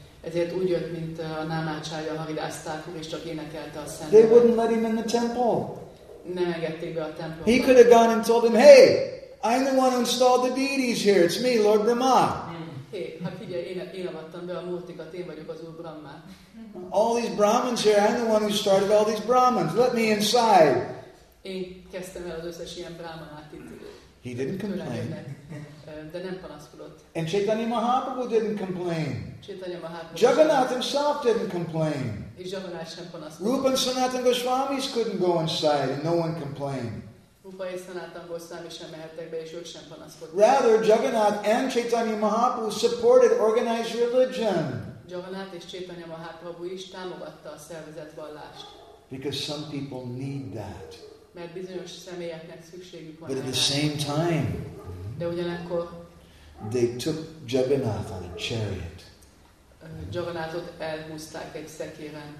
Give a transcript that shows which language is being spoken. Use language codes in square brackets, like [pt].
[hu] Ezért úgy jött, mint a Námácsája, a Haridász Thakur, és csak énekelte a szent. [en] They wouldn't let him in the temple. [hu] Nem engedték be a templomba. [en] He could have gone and told them, hey, I'm the one who installed the deities here. It's me, Lord Brahma. [hu] Hey, hát figyelj, én avattam be a múltikat, én vagyok az Úr Brahma. [en] All these Brahmins here, I'm the one who started all these Brahmins. Let me inside. [hu] Én kezdtem el az összes ilyen Brahmanát itt. [en] He didn't complain. [hu] De nem panaszkodott. [en] And Chaitanya Mahaprabhu didn't complain. [hu] Chaitanya Mahaprabhu. [en] Jagannath himself didn't complain. [hu] És Jagannath sem panaszkodott. [en] Rupa and Sanatan Goswamis couldn't go inside and no one complained. [hu] Rupa és Sanatan Goswami sem mehettek be, és ők sem panaszkodtak. [en] Rather, Jagannath and Chaitanya Mahaprabhu supported organized religion. [hu] Jagannath és Chaitanya Mahaprabhu is támogatta a szervezett vallást. [en] Because some people need that. [hu] Mert bizonyos személyeknek szükségük van. [en] But at the same time, [hu] de ugyanakkor [en] they took Jagannath on a chariot. [hu] Jagannathot elhúzták egy szekéren.